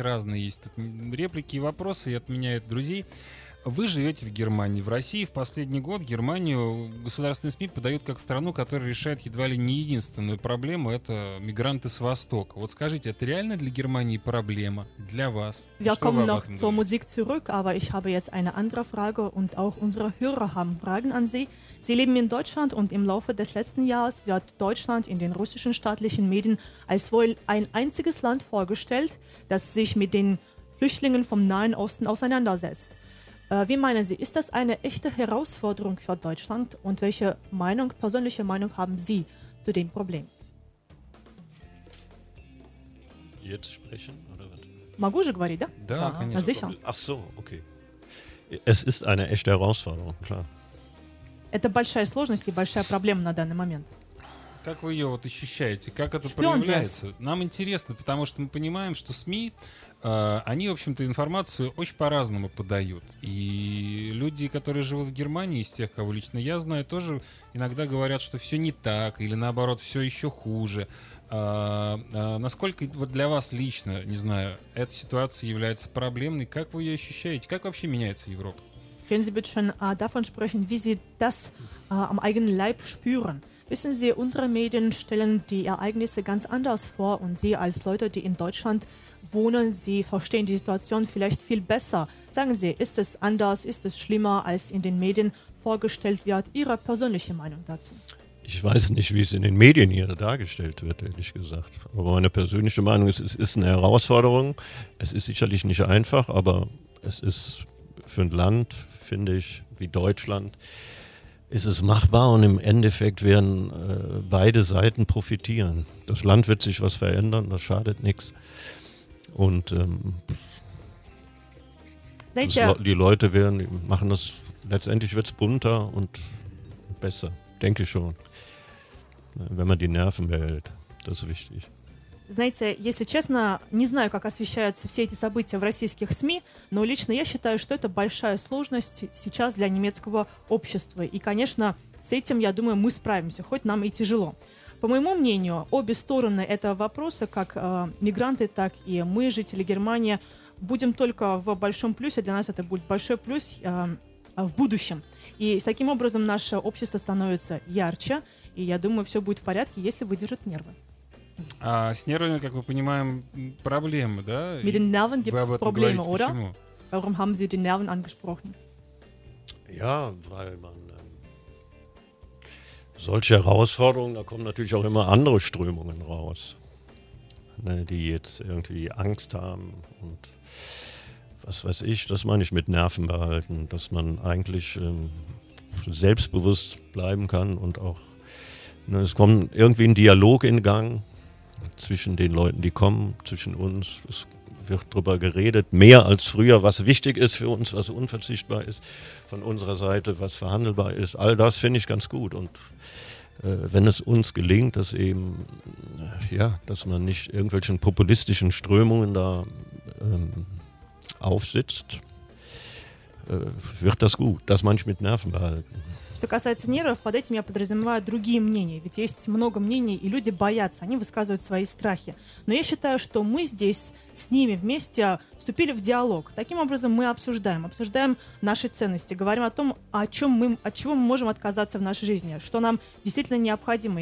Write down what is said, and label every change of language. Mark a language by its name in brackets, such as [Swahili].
[Russian] Разные есть тут реплики и вопросы, и от меня, и от друзей. Вы живете в Германии, в России. В последний год Германию государственные СМИ подают как страну, которая решает едва ли не единственную проблему — это мигранты с Востока. Вот скажите, это реально для Германии проблема? Для вас? [German] Willkommen noch zur Musik zurück, aber ich habe jetzt eine andere Frage und auch unsere Hörer haben Fragen an Sie. Sie leben in Deutschland und im Laufe des letzten Jahres wird Deutschland in den russischen staatlichen Medien als wohl ein einziges Land vorgestellt, das sich mit den Flüchtlingen vom Nahen Osten auseinandersetzt. Wie meinen Sie, ist das eine echte Herausforderung für Deutschland und welche Meinung, persönliche Meinung haben Sie zu dem Problem? Jetzt sprechen oder was? [Russian] Magu же говорит, да? Да, конечно. [German] Sicher. Ach so, okay. Es ist eine echte Herausforderung, klar. [Russian] Это большая сложность и большая проблема на данный момент. Как вы ее вот ощущаете? Как это проявляется? Нам интересно, потому что мы понимаем, что СМИ, они, в общем-то, информацию очень по-разному подают. И люди, которые живут в Германии, из тех, кого лично я знаю, тоже иногда говорят, что все не так, или наоборот, все еще хуже. Насколько вот для вас лично, не знаю, эта ситуация является проблемной? Как вы ее ощущаете? Как вообще меняется Европа? [German] Können Sie bitte schon davon sprechen, wie Sie das am eigenen Leib spüren? Wissen Sie, unsere Medien stellen die Ereignisse ganz anders vor und Sie als Leute, die in Deutschland wohnen, Sie verstehen die Situation vielleicht viel besser. Sagen Sie, ist es anders, ist es schlimmer, als in den Medien vorgestellt wird? Ihre persönliche Meinung dazu? Ich weiß nicht, wie es in den Medien hier dargestellt wird, ehrlich gesagt. Aber meine persönliche Meinung ist, es ist eine Herausforderung. Es ist sicherlich nicht einfach, aber es ist für ein Land, finde ich, wie Deutschland, ist es machbar und im Endeffekt werden beide Seiten profitieren. Das Land wird sich was verändern, das schadet nichts. Und die Leute werden, machen das, letztendlich wird es bunter und besser, denke ich schon. Wenn man die Nerven behält, das ist wichtig. [Russian] Знаете, если честно, не знаю, как освещаются все эти события в российских СМИ, но лично я считаю, что это большая сложность сейчас для немецкого общества. И, конечно, с этим, я думаю, мы справимся, хоть нам и тяжело. По моему мнению, обе стороны этого вопроса, как мигранты, так и мы, жители Германии, будем только в большом плюсе. Для нас это будет большой плюс в будущем. И таким образом наше общество становится ярче, и я думаю, все будет в порядке, если выдержат нервы. А с нервами, как мы понимаем, проблемы, да? [German] Mit den Nerven gibt's Probleme, [Russian] говорите, [German] oder? [Russian] Почему? [German] Warum haben Sie die Nerven angesprochen? Ja, weil man solche Herausforderungen, da kommen natürlich auch immer andere Strömungen raus, ne, die jetzt irgendwie Angst haben und was weiß ich, das meine ich mit Nerven behalten, dass man eigentlich selbstbewusst bleiben kann und auch, ne, es kommt irgendwie ein Dialog in Gang zwischen den Leuten, die kommen, zwischen uns. Es wird drüber geredet, mehr als früher, was wichtig ist für uns, was unverzichtbar ist von unserer Seite, was verhandelbar ist. All das finde ich ganz gut. Und wenn es uns gelingt, dass eben, ja, dass man nicht irgendwelchen populistischen Strömungen da aufsitzt, wird das gut. Das meine ich mit Nerven behalten. [Russian] Что касается нервов, под этим я подразумеваю другие мнения. Ведь есть много мнений, и люди боятся, они высказывают свои страхи. Но я считаю, что мы здесь с ними вместе вступили в диалог. Таким образом, мы обсуждаем наши ценности, говорим о том, от чего мы можем отказаться в нашей жизни, что нам действительно необходимо.